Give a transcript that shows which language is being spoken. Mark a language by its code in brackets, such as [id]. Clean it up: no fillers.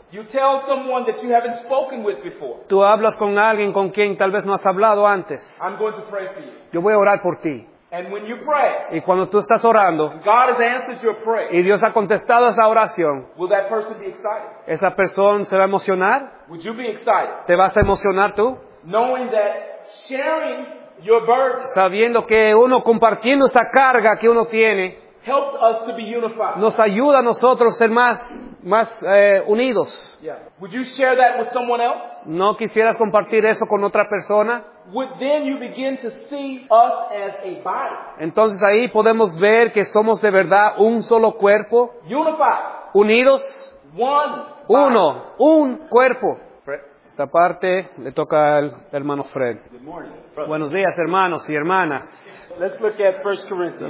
[en] You tell someone that you haven't spoken with before. [es] Tú hablas con alguien con quien tal vez no has hablado antes. [en] I'm going to pray for you. [es] Yo voy a orar por ti. [en] And when you pray, [es] y cuando tú estás orando, [en] God has answered your prayer, [es] y Dios ha contestado esa oración, [en] will that person be excited? [es] ¿Esa persona se va a emocionar? [en] Would you be excited? [es] ¿Te vas a emocionar tú? [en] Knowing that sharing your burden, [es] sabiendo que uno compartiendo esa carga que uno tiene, [en] helped us to be unified. [es] Nos ayuda a nosotros ser más unidos. [en] Yeah. Would you share that with someone else? [es] ¿No quisieras compartir eso con otra persona? [en] Would then you begin to see us as a body? [es] Entonces ahí podemos ver que somos de verdad un solo cuerpo. [en] Unified. [es] Unidos. [en] One. [es] Uno. [en] Body. [es] Un cuerpo. [en] Fred. [es] Esta parte le toca al hermano Fred. [en] Good morning. [es] Buenos días, hermanos y hermanas. [en] Let's look at 1 Corinthians.